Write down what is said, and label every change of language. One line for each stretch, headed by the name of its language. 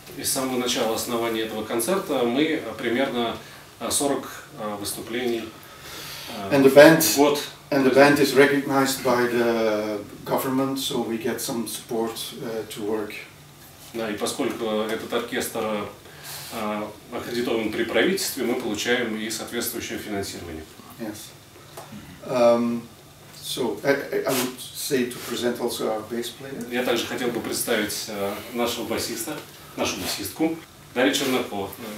Russian: Из самого начала основания этого концерта мы примерно 40 выступлений.
English: And the band is recognized by the government, so we get some support to work.
Russian: Да, и поскольку этот оркестр аккредитован при правительстве, мы получаем и соответствующее финансирование.
English: Yes. So I would say to present also our bass player.
Russian: Я также хотел бы представить нашего басиста, нашу басистку, Дарью Чернакову.